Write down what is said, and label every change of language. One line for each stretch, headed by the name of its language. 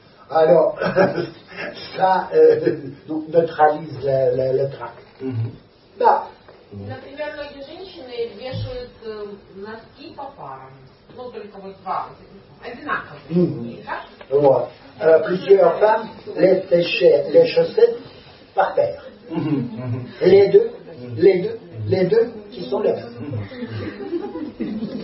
French: Alors, ça neutralise le tract.
Russian: Да. Например, многие женщины вешают носки по парам. Ну, только вот два. Одинаковые. Вот.
French: Plusieurs femmes lèchent les chaussettes par paire. Les deux qui sont les mêmes.